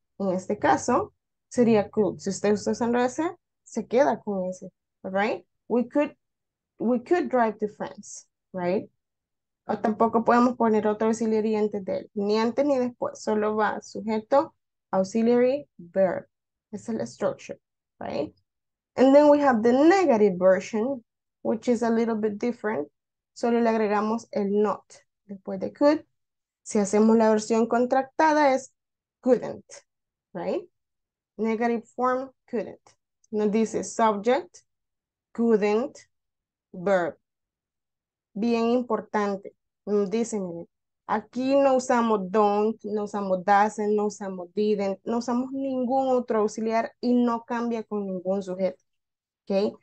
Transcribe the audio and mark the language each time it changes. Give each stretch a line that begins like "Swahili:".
Spanish: En este caso, sería could. Si usted está usando ese, se queda con ese, right?
English: We could drive to France, right?
Spanish: O tampoco podemos poner otro auxiliary antes de él, ni antes ni después, solo va sujeto, auxiliary, verb. Esa es la structure, right?
English: And then we have the negative version, which is a little bit different.
Spanish: Solo le agregamos el not después de could. Si hacemos la versión contractada es couldn't, right? Negative form, couldn't. Nos dice subject, couldn't, verb. Bien importante. Dice, miren, aquí no usamos don't, no usamos doesn't, no usamos didn't, no usamos ningún otro auxiliar y no cambia con ningún sujeto, okay?